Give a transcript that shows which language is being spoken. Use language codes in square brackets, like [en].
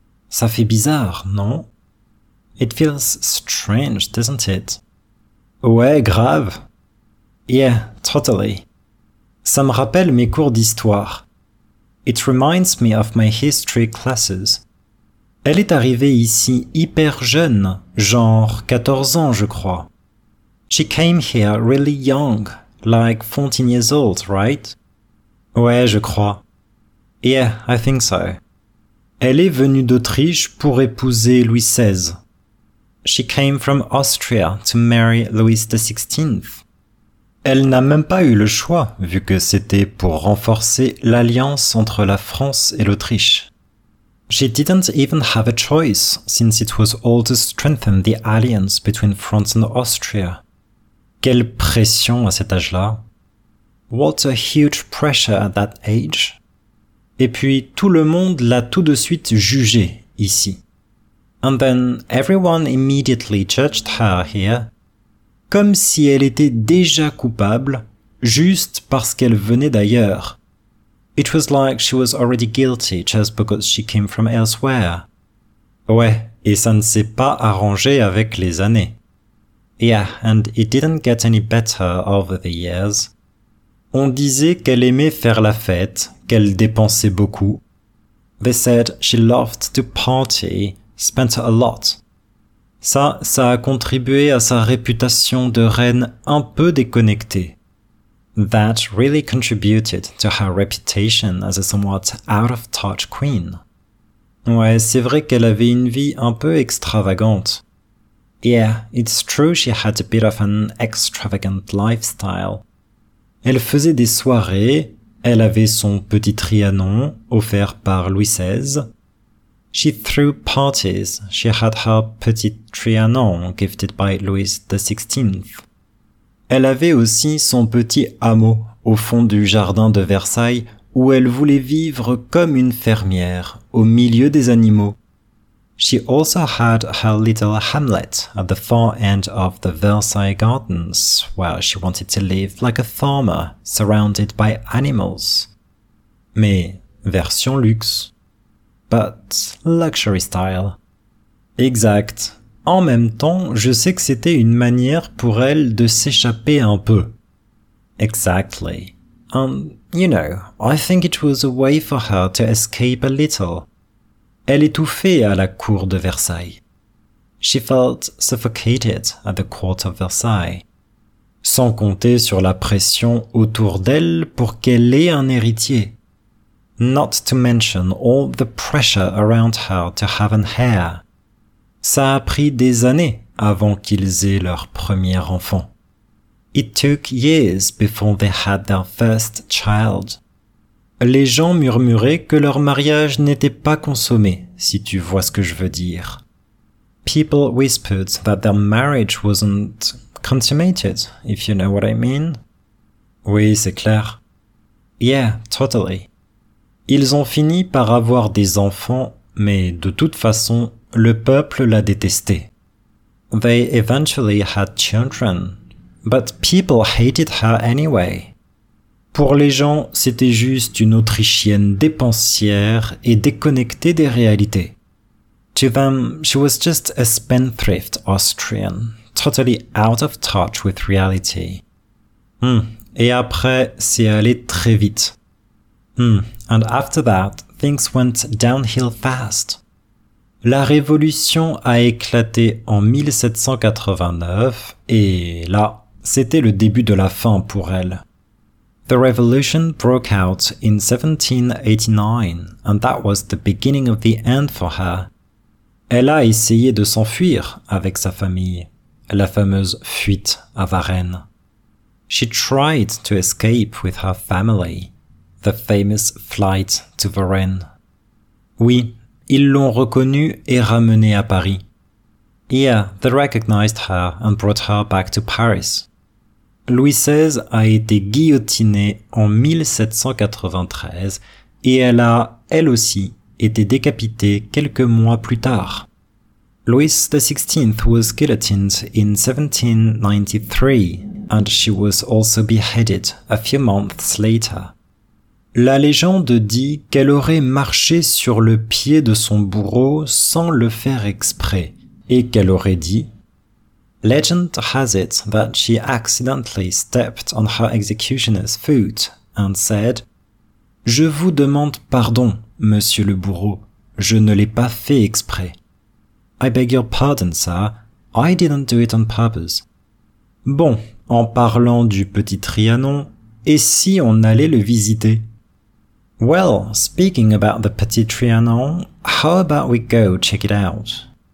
[fr] Ça fait bizarre, non? [en] It feels strange, doesn't it? [fr] Ouais, grave. [en] Yeah, totally. [fr] Ça me rappelle mes cours d'histoire. [en] It reminds me of my history classes. [fr] Elle est arrivée ici hyper jeune, genre 14 ans, je crois. [en] She came here really young, like 14 years old, right? [fr] Ouais, je crois. [en] Yeah, I think so. [fr] Elle est venue d'Autriche pour épouser Louis XVI. [en] She came from Austria to marry Louis XVI. [fr] Elle n'a même pas eu le choix, vu que c'était pour renforcer l'alliance entre la France et l'Autriche. [en] She didn't even have a choice, since it was all to strengthen the alliance between France and Austria. [fr] Quelle pression à cet âge-là. [en] What a huge pressure at that age. [fr] Et puis, tout le monde l'a tout de suite jugée ici. [en] And then everyone immediately judged her here. [fr] Comme si elle était déjà coupable, juste parce qu'elle venait d'ailleurs. [en] It was like she was already guilty just because she came from elsewhere. [fr] Ouais, et ça ne s'est pas arrangé avec les années. [en] Yeah, and it didn't get any better over the years. [fr] On disait qu'elle aimait faire la fête, qu'elle dépensait beaucoup. [en] They said she loved to party, spent a lot. [fr] Ça, ça a contribué à sa réputation de reine un peu déconnectée. [en] That really contributed to her reputation as a somewhat out-of-touch queen. [fr] Ouais, c'est vrai qu'elle avait une vie un peu extravagante. [en] Yeah, it's true she had a bit of an extravagant lifestyle. [fr] Elle faisait des soirées, elle avait son petit Trianon, offert par Louis XVI. [en] She threw parties, she had her petit Trianon, gifted by Louis XVI. [fr] Elle avait aussi son petit hameau, au fond du jardin de Versailles, où elle voulait vivre comme une fermière, au milieu des animaux. [en] She also had her little hamlet at the far end of the Versailles Gardens, where she wanted to live like a farmer, surrounded by animals. [fr] Mais, version luxe. [en] But luxury style. [fr] Exact. En même temps, je sais que c'était une manière pour elle de s'échapper un peu. [en] Exactly. You know, I think it was a way for her to escape a little. [fr] Elle étouffait à la cour de Versailles. [en] She felt suffocated at the court of Versailles. [fr] Sans compter sur la pression autour d'elle pour qu'elle ait un héritier. [en] Not to mention all the pressure around her to have an heir. [fr] Ça a pris des années avant qu'ils aient leur premier enfant. [en] It took years before they had their first child. [fr] Les gens murmuraient que leur mariage n'était pas consommé, si tu vois ce que je veux dire. [en] People whispered that their marriage wasn't consummated, if you know what I mean. [fr] Oui, c'est clair. [en] Yeah, totally. [fr] Ils ont fini par avoir des enfants, mais de toute façon, le peuple l'a détesté. [en] They eventually had children, but people hated her anyway. [fr] Pour les gens, c'était juste une Autrichienne dépensière et déconnectée des réalités. [en] To them, she was just a spendthrift Austrian, totally out of touch with reality. [fr] Et après, c'est allé très vite. [en] And after that, things went downhill fast. [fr] La révolution a éclaté en 1789, et là, c'était le début de la fin pour elle. [en] The revolution broke out in 1789, and that was the beginning of the end for her. [fr] Elle a essayé de s'enfuir avec sa famille, la fameuse fuite à Varennes. [en] She tried to escape with her family, the famous flight to Varennes. [fr] Oui, ils l'ont reconnue et ramenée à Paris. [en] Yeah, they recognized her and brought her back to Paris. [fr] Louis XVI a été guillotiné en 1793 et elle a, elle aussi, été décapitée quelques mois plus tard. [en] Louis XVI was guillotined in 1793 and she was also beheaded a few months later. [fr] La légende dit qu'elle aurait marché sur le pied de son bourreau sans le faire exprès et qu'elle aurait dit [en] Legend has it that she accidentally stepped on her executioner's foot and said, [fr] Je vous demande pardon, monsieur le bourreau, je ne l'ai pas fait exprès. [en] I beg your pardon, sir, I didn't do it on purpose. [fr] Bon, en parlant du petit Trianon, et si on allait le visiter? [en] Well, speaking about the petit Trianon, how about we go check it out?